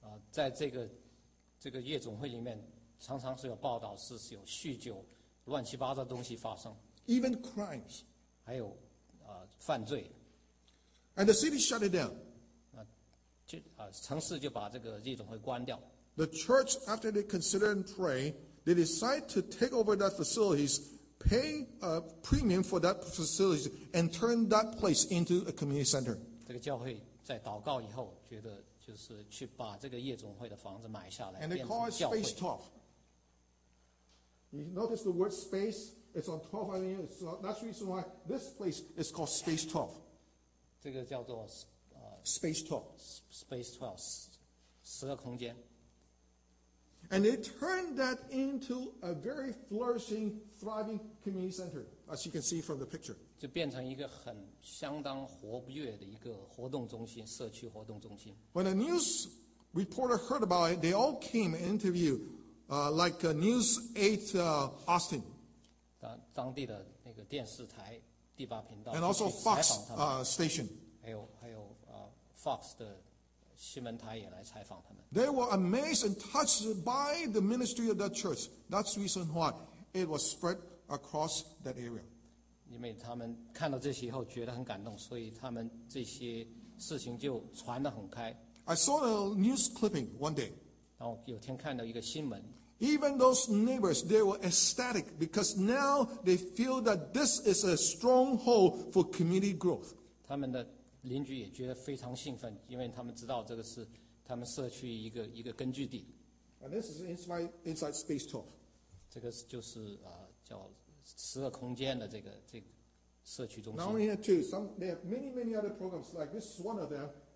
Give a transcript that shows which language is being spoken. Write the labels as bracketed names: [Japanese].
[Chinese] 在这个夜总会里面，常常是有报道是有酗酒。乱七八糟的东西发生 [English] ，even crimes， [Chinese] 还有犯罪 [English] ，and the city shut it down， [Chinese] 城市就把这个夜总会关掉。 [English] The church, after they consider and pray, they decide to take over that facility, pay a premium for that facility, and turn that place into a community center. [Chinese] 这个教会在祷告以后，觉得就是去把这个夜总会的房子买下来，变成教会。 [English] And they call it space 12. You notice the word space? It's on 12th Avenue. So that's the reason why this place is called Space 12. [Chinese] 这个叫做 [English] Space 12. [Chinese] Space 12, 十个空间。 [English] And they turned that into a very flourishing, thriving community center, as you can see from the picture. [Chinese] 就变成一个很相当活跃的一个活动中心，社区活动中心。 [English] When a news reporter heard about it, they all came and interviewed, like News 8, Austin. [Chinese] 当地的那个电视台第八频道。 [English] And also Fox, station. [Chinese] 还有 Fox 的。西门台也来采访他们。 [English] They were amazed and touched by the ministry of that church. That's the reason why it was spread across that area. [Chinese] 因为他们看到这些以后觉得很感动，所以他们这些事情就传得很开。 [English] I saw a news clipping one day. [Chinese] 然后有天看到一个新闻。 [English] Even those neighbors, they were ecstatic because now they feel that this is a stronghold for community growth. [Chinese] 他们的邻居也觉得非常兴奋，因为他们知道这个是他们社区一个根据地。 [English] And this is inside Space 12. [Chinese] 这个就是叫十二空间的这个社区中心。 [English] Now we have two. Some they have many many other programs. Like this is one of them.